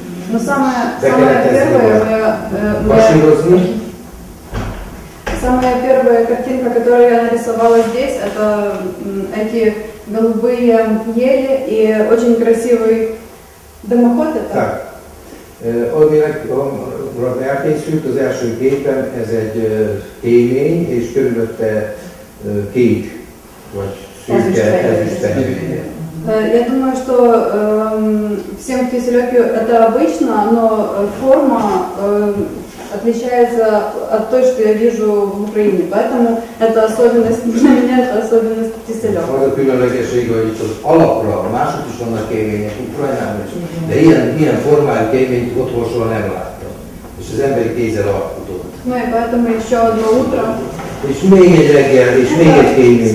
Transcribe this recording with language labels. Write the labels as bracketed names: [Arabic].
[Russian] Но самая первая картинка, которую я нарисовала здесь, это эти голубые ели и очень красивый дымоход это. Так. [Hungarian] Amire elkészült az első képen, ez egy kémény, és körülötte kék, vagy szürke, ezüstfehér. [Russian] Я думаю, что всем в Кисилёке это обычно, но форма отличается от той, что я вижу в Украине. Поэтому это особенность для меня, это особенность Кисилёка. [Hungarian] Az a különlegesség, hogy itt az alapra mások is vannak kémények, Ukrajnában is. De ilyen formájú kéményt otthon soha nem láttam. És az emberi kézzel alkotott. No, és [Russian] поэтому еще одно утро. [Hungarian] És még egy reggel, és még egy kémény.